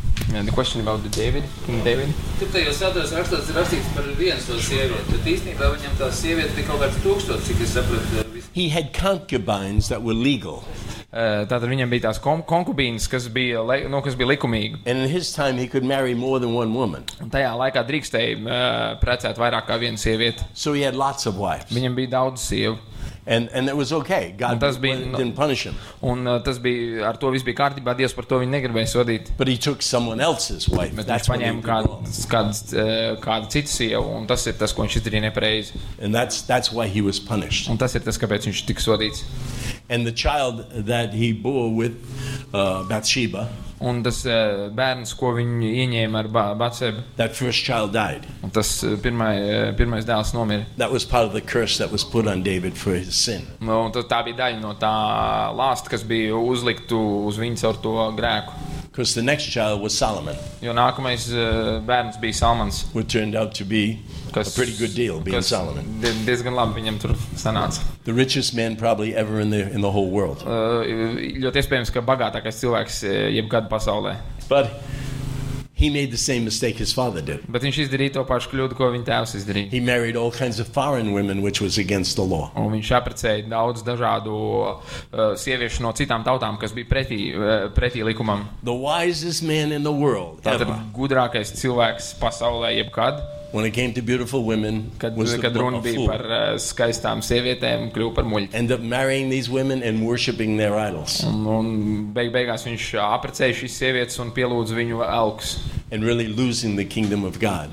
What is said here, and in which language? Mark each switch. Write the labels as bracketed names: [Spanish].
[English] Yeah, the question about the David, King David. [Latvian] Tiktai jūs atrodas rakstās rakstīts par vienu to sievieti, bet īstenībā viņam tā sieviete tika kaut kāds tūkstots, cik es sapratu. [English] He had concubines that were legal. [Latvian] Tātad viņam bija tās konkubīnes, kas bija likumīgi. [English] And in his time he could marry more than one woman. [Latvian] Un tajā laikā drīkstēja precēt vairāk kā vienu sievieti. [English] So he had lots of wives. [Latvian] Viņam bija daudz sievu. [English] And it was okay. God didn't punish him. [Latvian] Un tas bija, ar to viss bija kārtībā, Dievs par to viņu negribēja sodīt. [English] But he took someone else's wife. [Latvian] Bet viņš paņēma kādu citu sievu, un tas ir tas, ko viņš izdarīja nepareizi. [English] And that's why he was punished. [Latvian] Un tas ir tas, kāpēc viņš tika sodīts. [English] And the child that he bore with Bathsheba. [Latvian] Un tas bērns, ko viņi ieņēma ar Batsebu. [English] That first child died. [Latvian] Un tas pirmais dēls nomira. [English] That was part of the curse that was put on David for his sin. [Latvian] Un tas tā bija daļa no tā lāsta, kas bija uzlikta uz viņu caur to grēku. [English] Because the next child was Solomon. [Latvian] Jo nākamais bērns bija Salmans. [English] Who turned out to be a pretty good deal being Solomon. [Latvian] Diezgan labi viņam tur sanāca. [English] The richest man probably ever in the whole world. [Latvian] Ļoti iespējams, ka bagātākais cilvēks jebkad pasaulē. [English] But he made the same mistake his father did. [Latvian] Bet viņš izdarīja to pašu kļūdu, ko viņa tēvs izdarīja. [English] He married all kinds of foreign women, which was against the law. [Latvian] Un viņš apprecēja daudz dažādu sieviešu no citām tautām, kas bija pretī likumam. [English] The wisest man in the world. [Latvian] Tātad gudrākais cilvēks pasaulē jebkad. [English] When it came to beautiful women, [Latvian] kad runa bija par skaistām sievietēm, kļuva par muļķi. [English] End up marrying these women and worshiping their idols. [Latvian] Un beigās viņš apprecēja šīs sievietes un pielūdza viņu elks. [English] And really losing the kingdom of God.